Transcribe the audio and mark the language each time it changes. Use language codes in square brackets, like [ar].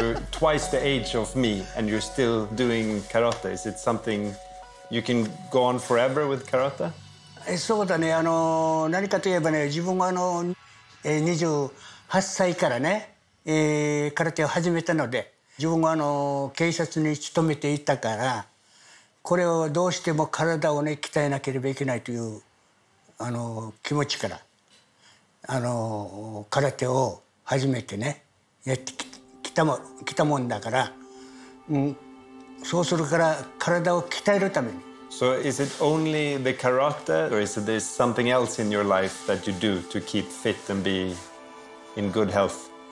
[en] Twice the age of me, and you're still doing karate. Is it something you can go on forever with karate? [ja] そうだね。何かといえばね、自分が28歳からね、空手を始めたので、自分が警察に勤めていたから、これをどうしても体をね鍛えなければいけないという気持ちから、空手を始めてね、やってきて。来たもんだから、そうするから体を鍛えるために。 [en] So is it only the karate, or is it there something else in your life that you do to keep fit and be in good health?